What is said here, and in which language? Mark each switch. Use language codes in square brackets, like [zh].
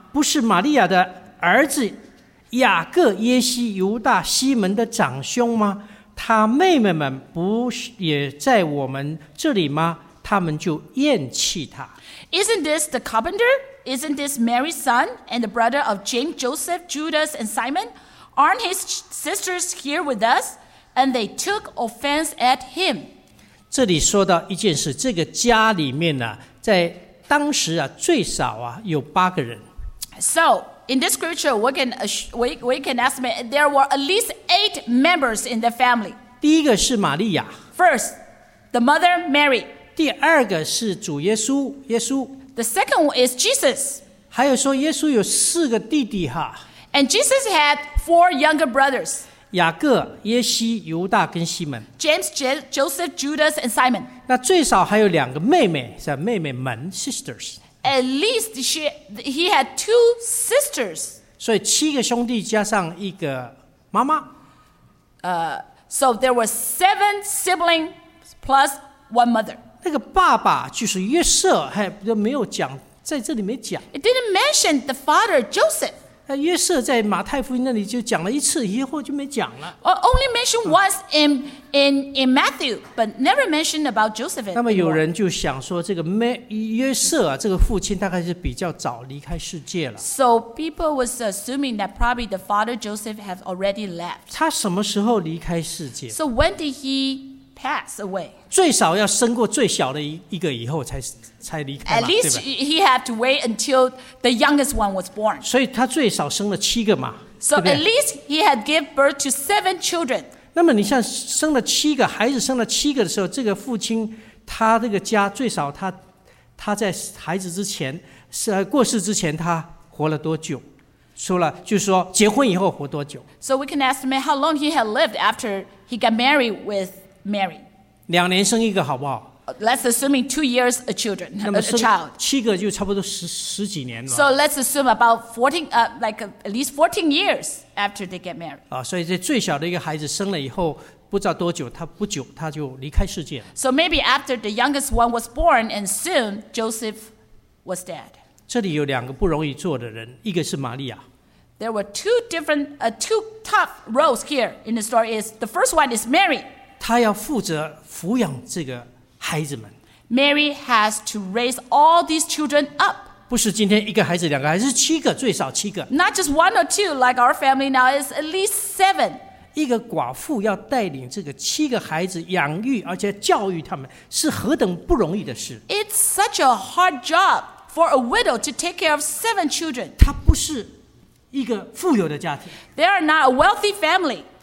[zh] 不是玛利亚的儿子雅各、耶西、犹大、西门的长兄吗？他妹妹们不也在我们这里吗？他们就厌弃他。 [en] Isn't this the carpenter? Isn't this Mary's son and the brother of James, Joseph, Judas, and Simon? Aren't his sisters here with us? And they took offense at him. [zh] 这里说到一件事，这个家里面呢、啊，在当时啊，最少啊有八个人。 [en] So in this scripture, we can estimate there were at least eight members in the family. [zh] 第一个是玛利亚。 [en] First, the mother Mary. [zh] 第二个是主耶稣，耶稣。 [en] The second one is Jesus. [zh] 还有说耶稣有四个弟弟哈。 [en] And Jesus had four younger brothers. [zh] 雅各、耶西、犹大跟西门。 [en] James, Joseph, Judas, and Simon. [zh] 那最少还有两个妹妹，是妹妹们 ， [en] sisters. At least he had two sisters. [zh] 所以七个兄弟加上一个妈妈。 [en] So there were seven siblings plus one mother. [zh] 那个爸爸就是约瑟，还没有讲，在这里没讲。 [en] It didn't mention the father Joseph. [zh] 那约瑟在马太福音那里就讲了一次，以后就没讲了。 [en] Only mentioned once in Matthew, but never mentioned about Joseph. [zh] 那么有人就想说，这个约瑟啊，这个父亲大概是比较早离开世界了。 [en] So people was assuming that probably the father Joseph has already left. [zh] 他什么时候离开世界 [en] ？So when did he? Pass away. [zh] 最少要生过最小的一个以后才离开嘛。 [en] At least he had to wait until the youngest one was born. [zh] 所以他最少生了七个嘛。 [en] So at least he had give birth to seven children. [zh] 那么你像生了七个孩子，生了七个的时候，这个父亲他这个家最少他在孩子之前过世之前他活了多久？说了就是说结婚以后活多久 [en] ？So we can estimate how long he had lived after he got married withMary. [zh] 两年生一个好不好 [en] Let's assume two years a children, a child. [zh] 七个就差不多十几年了 [en] So let's assume about 14, like at least 14 years after they get married. [zh] 所以这最小的一个孩子生了以后不知道多久他不久他就离开世界了 [en] So maybe after the youngest one was born and soon Joseph was dead. [zh] 这里有两个不容易做的人一个是玛利亚 [en] There were two different, two tough roles here in the story. The first one is Mary. [zh] 他要负责抚养这个孩子们。 [en] Mary has to raise all these children up. [zh] 不是今天一个孩子两个孩子，是七个最少七个。 [en] Not just one or two like our family now is at least seven. [zh] 一个寡妇要带领这个七个孩子养育而且教育他们是何等不容易的事。 [en] It's such a hard job for a widow to take care of seven children. [zh] 他不是一个富有的家庭。 [en] They are not a wealthy family.